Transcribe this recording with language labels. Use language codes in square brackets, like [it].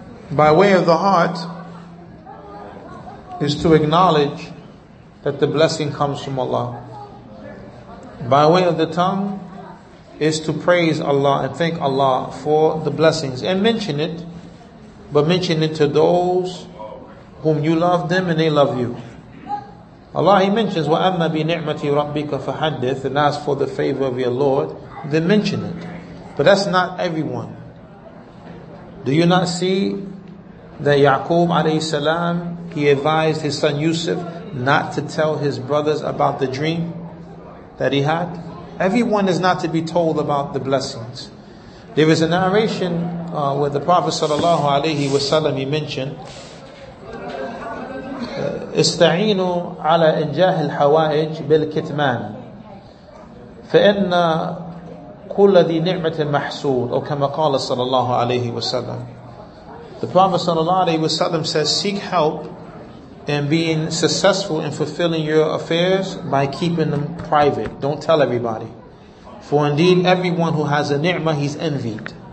[en] By way of the heart is to acknowledge that the blessing comes from Allah. By way of the tongue is to praise Allah and thank Allah for the blessings. And mention it, but mention it to those whom you love them and they love you. Allah, He mentions, [ar] وَأَمَّا بِنِعْمَةِ رَبِّكَ فَحَدِّثْ. [en] And ask for the favor of your Lord, then mention it. But that's not everyone. Do you not see that Yaqub alayhi salam, he advised his son Yusuf not to tell his brothers about the dream that he had? Everyone is not to be told about the blessings. There is a narration where the Prophet sallallahu alayhi wa sallam, he mentioned, [ar] استعينوا على إنجاح الحوائج بالكتمان فإن كل ذي نعمة محسود أو كما قال صلى الله عليه وسلم. [en] The Prophet [ar] صلى الله عليه وسلم [en] says, seek help in being successful in fulfilling your affairs by keeping them private. Don't tell everybody. For indeed, everyone who has a ni'mah, he's envied.